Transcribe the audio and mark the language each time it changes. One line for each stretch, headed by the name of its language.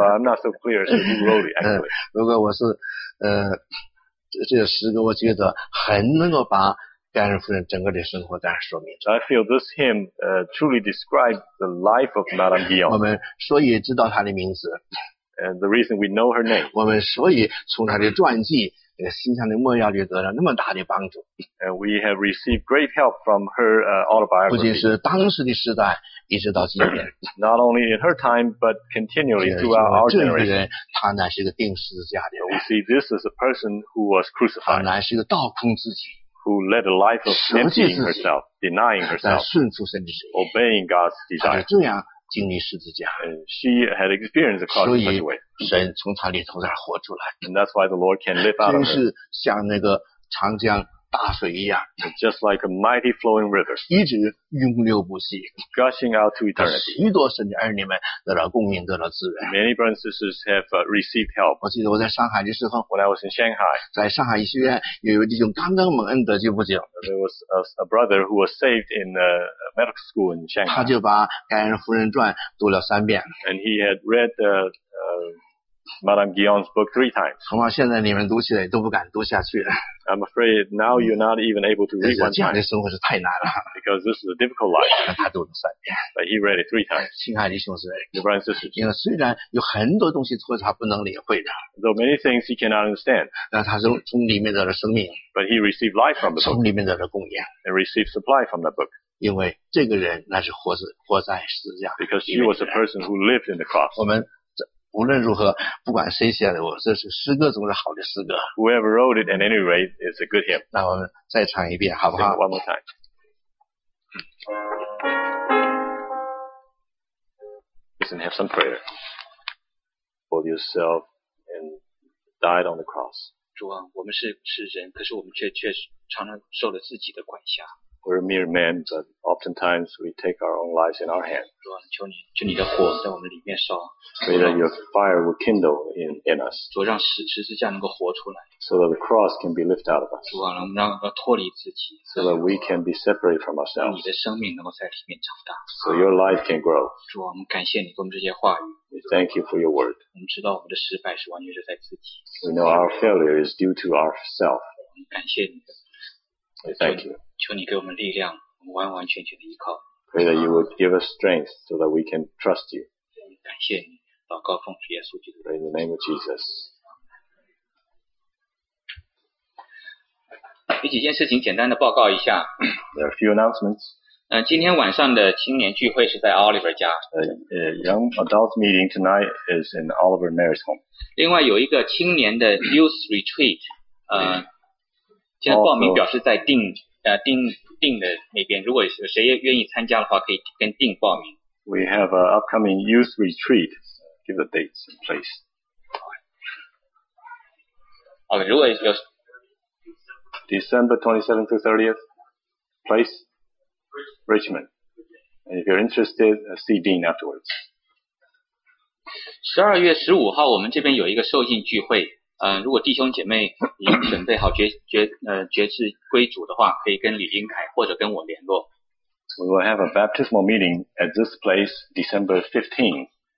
English: So I'm not so clear as to who wrote it actually.
Chinese: 如果我是这个诗歌，我觉得很能够把盖恩夫人整个的生活当然说明。
English: I feel this hymn truly describes the life of Madame Guyon.
Chinese: 我们所以知道她的名字。
English: And the reason we know her name.
Chinese: 我们所以从她的传记、心上的默要里得了那么大的帮助。
English: And we have received great help from her autobiography.
Chinese: 不仅是当时的时代，一直到今天。
English: Not only in her time, but continually throughout our generation.
Chinese: 这个人，他乃是个钉十字架的人。
English: We see this as a person who was crucified.
Chinese: 他乃是个倒空自己。
English: Who led a life of emptying herself, denying herself, obeying God's desire. And she had experienced the cross in such a way.
Chinese: 神从她里头那儿活出来。
English: And that's why the Lord can live out of her.
Chinese: 真是像那个长江大水一样。
English: Just like a mighty flowing river.
Chinese: 一直涌流不息。
English: Gushing out to eternity.
Chinese: 许多神的儿女们得到供应，得到资源。
English: Many brothers and sisters have received help.
Chinese: 我记得我在上海的时候。
English: When I was in Shanghai.
Chinese: 在上海医学院有一位弟兄刚刚蒙恩得救不久。
English: There was a brother who was saved in a medical school in Shanghai.
Chinese: 他就把盖恩夫人传读了三遍。
English: And he had read Madame Guyon's book three times.
Chinese: 恐怕现在你们读起来都不敢读下去了。
English: I'm afraid now you're not even able to read one time.
Chinese: 这样的生活是太难了。
English: Because this is a difficult life.
Chinese: 但他读了三遍。
English: But he read it three times.
Chinese: 亲爱的兄弟们。
English: Your brothers and sisters.
Chinese: 因为虽然有很多东西他不能领会的。
English: Though many things he cannot understand.
Chinese: 但他是从里面得了生命。
English: But he received life from the book.
Chinese: 从里面得了供应。
English: And received supply from the book.
Chinese: 因为这个人那是活在十字架。
English: Because he was a person who lived in the cross.
Chinese: 我们无论如何，不管谁写的，我这是诗歌总是好的诗歌。
English: Whoever wrote it, at any rate, it's a good hymn.
Chinese: 那我们再唱一遍，好不好
English: ？One more time. 嗯、Listen, have some prayer for yourself and died on the cross.
Chinese: 主啊，我们是人，可是我们却常常受了自己的管辖。
English: We're mere men, but oftentimes we take our own lives in our hands.
Chinese: 主啊，求你的火在我们里面烧。
English: Pray that your fire will kindle in us.
Chinese: 主啊，让十字架能够活出来。
English: So that the cross can be lifted out of us.
Chinese: 主啊，让脱离自己。
English: So that we can be separated from ourselves.
Chinese: 你的生命能够在里面长大。
English: So your life can grow.
Chinese: 主啊，我们感谢你给我们这些话语。
English: We thank you for your word.
Chinese: 我们知道我们的失败是完全是在自己。
English: We know our failure is due to ourselves.
Chinese: 我们感谢你。
English: We thank you.
Chinese: 求你给我们力量，我们完完全全的依靠。
English: Pray that you would give us strength so that we can trust you.
Chinese: 感谢你，祷告奉主耶稣基督。
English: Pray in the name of Jesus.
Chinese: 有几件事情简单的报告一下。
English: There are a few announcements.
Chinese: 今天晚上的青年聚会是在 Oliver 家。
English: Young adult meeting tonight is in Oliver and Mary's home.
Chinese: 另外有一个青年的 youth retreat， 现在报名表是在定。定的那边，如果有谁愿意参加的话，可以跟定报名。
English: We have an upcoming youth retreat. Give the dates and place.
Chinese: OK， 如果有
English: December 27th to 30th, place Richmond. And if you're interested, see Dean afterwards.
Chinese: 12月15号，我们这边有一个受浸聚会。如果弟兄姐妹已经准备好决志归主的话，可以跟李英凯或者跟我联络。
English: We will have a baptismal meeting at this place December 15.